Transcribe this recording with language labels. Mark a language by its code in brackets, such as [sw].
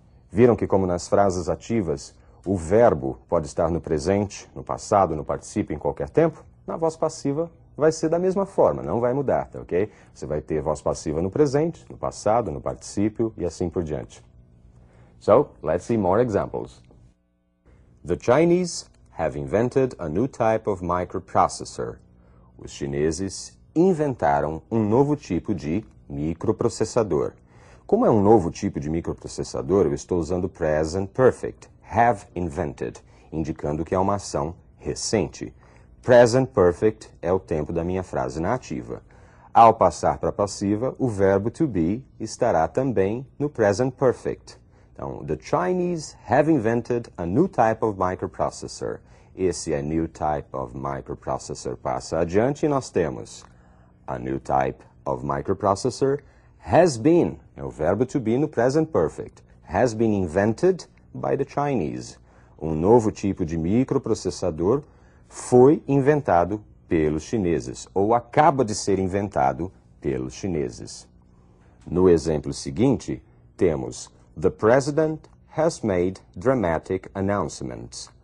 [pt] Viram que, como nas frases ativas, o verbo pode estar no presente, no passado, no participio, em qualquer tempo? Na voz passiva vai ser da mesma forma, não vai mudar, tá ok? Você vai ter voz passiva no presente, no passado, no participio e assim por diante. [en] So, let's see more examples. The Chinese have invented a new type of microprocessor. [pt] Os chineses inventaram um novo tipo de microprocessador. Como é um novo tipo de microprocessador, eu estou usando present perfect. [en] Have invented, [pt] indicando que é uma ação recente. Present perfect é o tempo da minha frase na ativa. Ao passar para a passiva, o verbo to be estará também no present perfect. Então, [en] the Chinese have invented a new type of microprocessor. [pt] Esse é [en] new type of microprocessor. [pt] Passa adiante e nós temos [en] a new type of microprocessor has been, [pt] é o verbo [en] to be no present perfect, has been invented by the Chinese. [pt] Um novo tipo de microprocessador foi inventado pelos chineses, ou acaba de ser inventado pelos chineses. No exemplo seguinte, temos [en] The President has made dramatic announcements.